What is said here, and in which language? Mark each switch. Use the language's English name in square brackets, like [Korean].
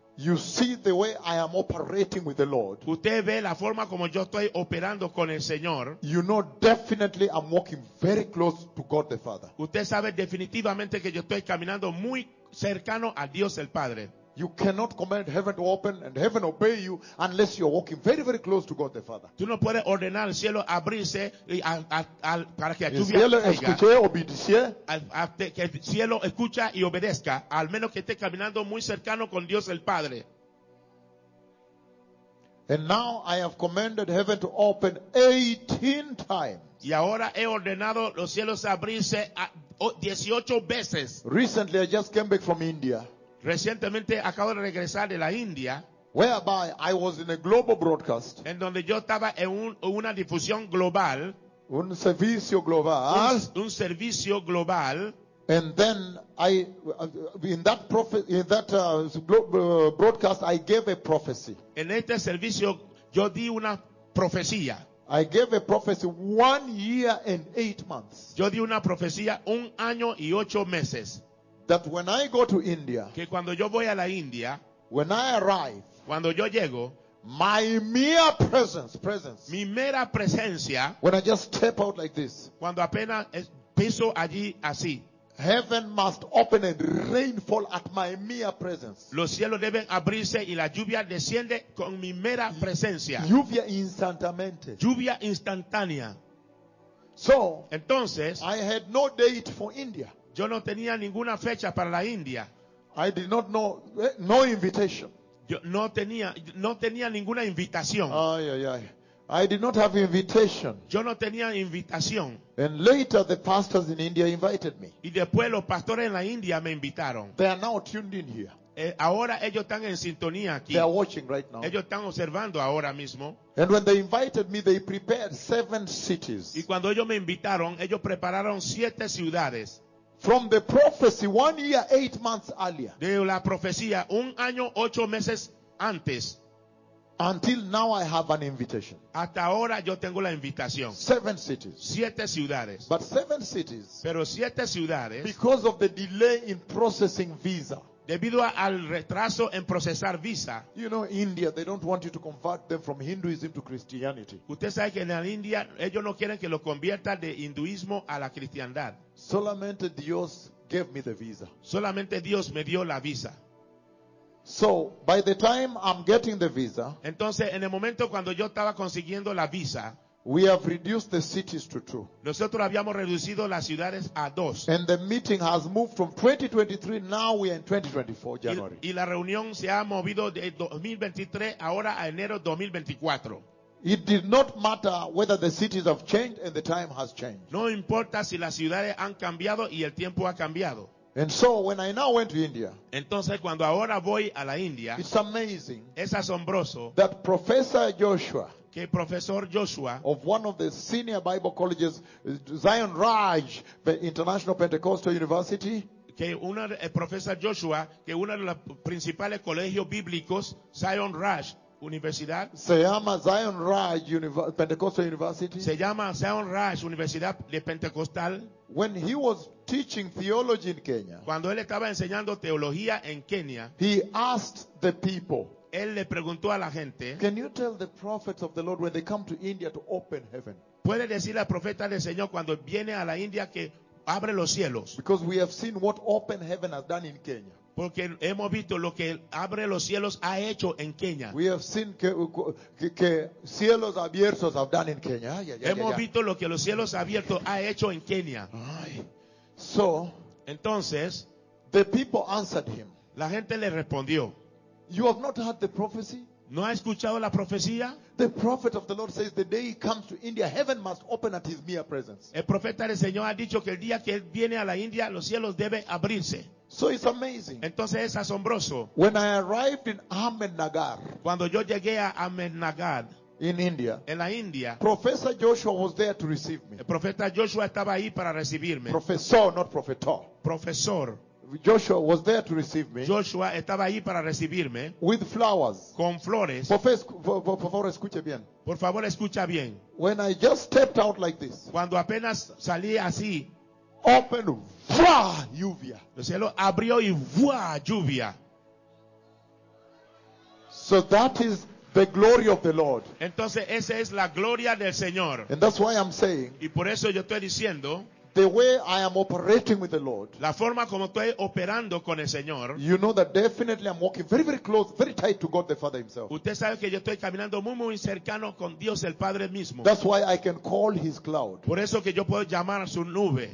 [English] you see the way I am operating with the Lord. [Spanish] Usted ve la forma como yo estoy operando con el Señor. [English] You know definitely I'm walking very close to God the Father. [Spanish] Usted sabe definitivamente que yo estoy caminando muy cercano a Dios el Padre. [English] You cannot command heaven to open and heaven obey you unless you're walking very, very close to God the Father. [Spanish] Tú no puedes ordenar el cielo abrirse para que la lluvia caiga. El cielo escuche, obedece. Que el cielo escucha y obedezca, al menos que esté caminando muy cercano con Dios el Padre. [English] And now I have commanded heaven to open 18 times. [Spanish] Y ahora he ordenado los cielos abrirse 18 veces. [English] Recently I just came back from India. [Spanish] Recientemente acabo de regresar de la India, [English] whereby I was in a global broadcast, [Spanish] en donde yo estaba en una difusión global, un servicio global, un servicio global, [English] and then I broadcast I gave a prophecy. [Spanish] En este servicio yo di una profecía. [English] I gave a prophecy 1 year and 8 months. [Spanish] Yo di una profecía 1 año y 8 meses. [English] That when I go to India, [Spanish] que cuando yo voy a la India, [English] when I arrive, [Spanish] cuando yo llego, [English] my mere presence, [Spanish] mi mera presencia, [English] when I just step out like this, [Spanish] cuando apenas piso allí así, [English] heaven must open and rainfall at my mere presence. [Spanish] Los cielos deben abrirse y la lluvia desciende con mi mera presencia. Lluvia instantáneamente. Lluvia instantánea. [English] So, [Spanish] entonces, [English] I had no date for India. [Spanish] Yo no tenía ninguna fecha para la India. [English] I did not know, no invitation. [Spanish] Yo no tenía ninguna invitación. [English] Ay, ay, ay. I did not have invitation. [Spanish] Yo no tenía invitación. [English] And later the pastors in India invited me. [Spanish] Y después los pastores en la India me invitaron. [English] They are now tuned in here. [Spanish] Ahora ellos están en sintonía aquí. [English] They are watching right now. [Spanish] Ellos están observando ahora mismo. [English] And when they invited me, they prepared 7 cities. [Spanish] Y cuando ellos me invitaron, ellos prepararon 7 ciudades. [English] From the prophecy 1 year 8 months earlier. [Spanish] De la profecía 1 año 8 meses antes. [English] Until now I have an invitation. [Spanish] Hasta ahora yo tengo la invitación. [English] 7 cities. [Spanish] 7 ciudades. [English] But 7 cities. [Spanish] Pero 7 ciudades. [English] Because of the delay in processing visa. [Spanish] Debido al retraso en procesar visa. [English] You know, India, they don't want you to convert them from Hinduism to Christianity. [Spanish] Usted sabe que en la India ellos no quieren que lo convierta de hinduismo a la cristiandad. Solamente Dios [English] gave me the visa. [Spanish] Solamente Dios me dio la visa. [English] So, by the time I'm getting the visa, [Spanish] entonces en el momento cuando yo estaba consiguiendo la visa, [English] we have reduced the cities to 2. [Spanish] Nosotros habíamos reducido las ciudades a 2. [English] And the meeting has moved from 2023, now we are in 2024, January. [Spanish] Y la reunión se ha movido de 2023 ahora a enero 2024. [English] It did not matter whether the cities have changed and the time has changed. [Spanish] No importa si las ciudades han cambiado y el tiempo ha cambiado. [English] And so when I now went to India, [Spanish] entonces cuando ahora voy a la India, [English] it's amazing, [Spanish] es asombroso, [English] that Professor Joshua, [Spanish] que profesor Joshua [English] of one of the senior Bible colleges, Zion Raj, the International Pentecostal University, [Spanish] que una profesor Joshua, que uno de los principales colegios bíblicos, Zion Raj Universidad, se llama Zion Raj Pentecostal University, se llama Zion Raj Universidad de Pentecostal. [English] When he was teaching theology in Kenya, [Spanish] cuando él estaba enseñando teología en Kenia, [English] he asked the people, [Spanish] él le preguntó a la gente, [English] can you tell the prophets of the Lord when they come to India to open heaven? [Spanish] ¿Puede decir al profeta del Señor cuando viene a la India que abre los cielos? [English] Because we have seen what open heaven has done in Kenya. [Spanish] Porque hemos visto lo que abre los cielos ha hecho en Kenia. [English] We have seen [Spanish] que cielos abiertos [English] have done in Kenya. Yeah, yeah, [Spanish] hemos yeah, visto lo que los cielos abiertos ha hecho en Kenia. [English] So, [Spanish] entonces, [English] the people answered him. [Spanish] La gente le respondió. [English] You have not heard the prophecy? [Spanish] ¿No ha escuchado la profecía? [English] The prophet of the Lord says the day he comes to India, heaven must open at his mere presence. [Spanish] El profeta del Señor ha dicho que el día que él viene a la India, los cielos deben abrirse. [English] So it's amazing. [Spanish] Entonces es asombroso. [English] When I arrived in Ahmednagar, [Spanish] cuando yo llegué a Ahmednagar, [English] in India, [Spanish] en la India, [English] Professor Joshua was there to receive me. [Spanish] El profeta Joshua estaba ahí para recibirme. [English] Professor, not profetor. [Spanish] Profesor. [English] Joshua was there to receive me. [Spanish] Joshua estaba ahí para recibirme. [English] With flowers. [Spanish] Con flores. Por favor, escuche bien. Por favor, escucha bien. [English] When I just stepped out like this. [Spanish] Cuando apenas salí así. Open, ¡vua! Lluvia. El cielo abrió y ¡vua! Lluvia. [English] So that is the glory of the Lord. [Spanish] Entonces esa es la gloria del Señor. [English] And that's why I'm saying. [Spanish] Y por eso yo estoy diciendo. [English] The way I am operating with the Lord. [Spanish] La forma como estoy operando con el Señor. [English] You know that definitely I'm walking very, very close, very tight to God the Father Himself. [Spanish] Usted sabe que yo estoy caminando muy, muy cercano con Dios el Padre mismo. [English] That's why I can call His cloud. [Spanish] Por eso que yo puedo llamar a su nube.